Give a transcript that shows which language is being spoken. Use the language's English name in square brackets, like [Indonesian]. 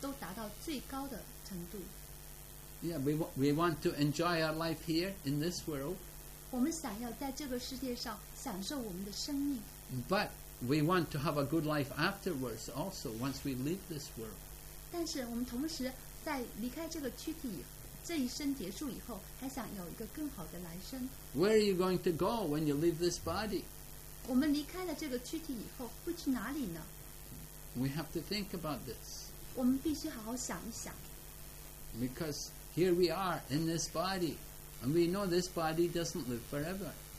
[Chinese] 怎么在灵性生活和物质生活上都达到最高的程度。 [English] Yeah, we want to enjoy our life here in this world. [Chinese] 我们想要在这个世界上享受我们的生命。 [English] But we want to have a good life afterwards also, once we leave this world. [Chinese] 但是我们同时在离开这个躯体，这一生结束以后，还想有一个更好的来生。 [English] Where are you going to go when you leave this body? [Chinese] 我们离开了这个躯体以后，会去哪里呢？ [English] We have to think about this. [Chinese] 我们必须好好想一想。 [English] Because here we are in this body, and we know this body doesn't live forever.